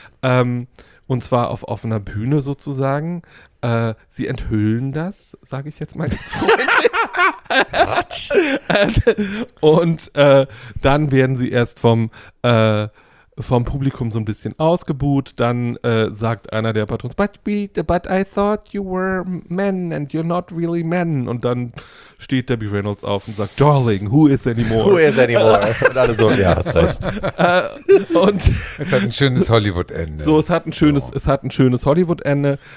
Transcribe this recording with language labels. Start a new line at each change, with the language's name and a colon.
German: Und zwar auf offener Bühne sozusagen. Sie enthüllen das, sage ich jetzt mal. dann werden sie erst vom Publikum so ein bisschen ausgebuht. Dann sagt einer der Patrons,
English: but I thought you were men and you're not really men.
German: Und dann steht Debbie Reynolds auf und sagt,
English: Darling, who is anymore? Who is anymore?
German: Und alle so, ja, hast recht. Und es hat ein schönes Hollywood-Ende. So, es hat ein schönes Hollywood-Ende.